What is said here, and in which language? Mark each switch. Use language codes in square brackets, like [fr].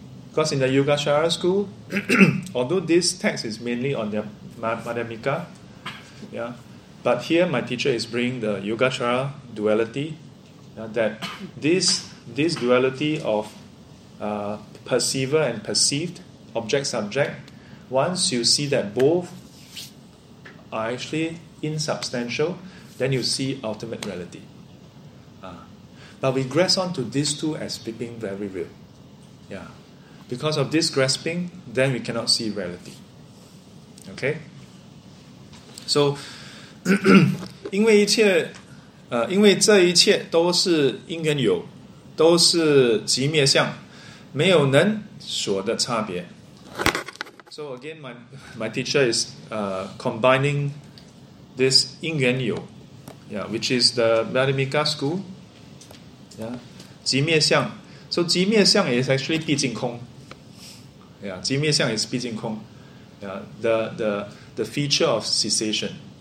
[en] Because in the Yogacara school, although this text is mainly on the Madhyamika, but here my teacher is bringing the Yogacara duality, that this duality of perceiver and perceived, object-subject, once you see that both are actually insubstantial, then you see ultimate reality. But we grasp onto these two as being very real. Because of this grasping, then we cannot see reality. Okay? [zh] So, 因为这一切都是因缘有,都是即灭相,没有能所的差别. [en] So again, my teacher is combining this 因缘有, which is the Madhyamika school, 即灭相. So 即灭相 is actually 毕竟空.即灭相 is 毕竟空, the feature of cessation.